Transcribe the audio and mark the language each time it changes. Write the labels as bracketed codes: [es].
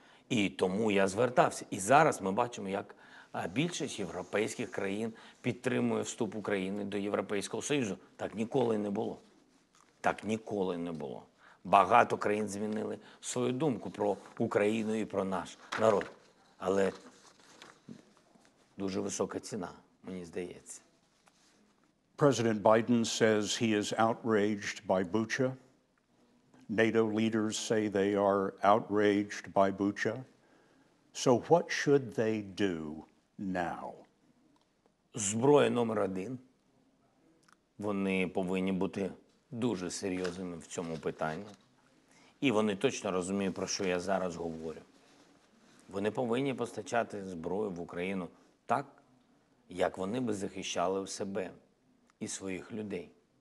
[uk] І тому я звертався. І зараз ми бачимо, як більшість європейських країн підтримує вступ України до Європейського Союзу. Так ніколи не було. Так ніколи не було. Багато країн змінили свою думку про Україну і про наш народ. Але дуже висока ціна, мені здається. [en] President Biden says he is outraged by Bucha. NATO leaders say they are outraged by Bucha. So what should they do now? [uk] Зброя номер один. Вони повинні бути дуже серйозними в цьому питанні. І вони точно розуміють, про що я зараз говорю. Вони повинні постачати зброю в Україну так, як вони би захищали себе і своїх людей.